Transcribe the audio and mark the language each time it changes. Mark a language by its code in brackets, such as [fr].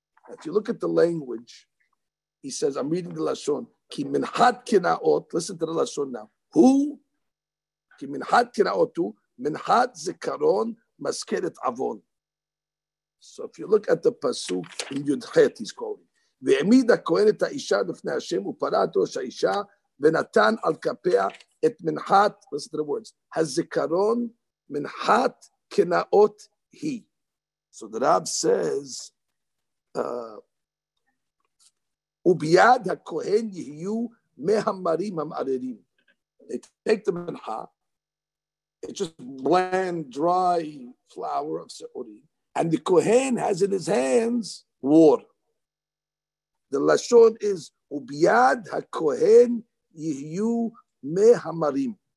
[en] If you look at the language, he says, I'm reading the lashon. [he] Ki minhat kinaot. [en] Listen to the lashon now. Who? [he] Ki minhat kinaot hu. Minhat zikaron maskeret avon. [en] So if you look at the pasuk in Yudchet, he's calling. [he] והעמיד הכהן את האישה לפני השם, ופרעת ראש האישה, ונתן על כפיה את מנחת, [en] listen to the words, [he] הזיכרון, מנחת כנאות היא. [en] So the Rav says, [he] וביד הכהן יהיו מהמרים המערערים. [en] They take the מנחה, it's just bland, dry flour of seori, and the Kohen has in his hands water. The lashon is [he] ubiyad hakohen yihyu mehamarim.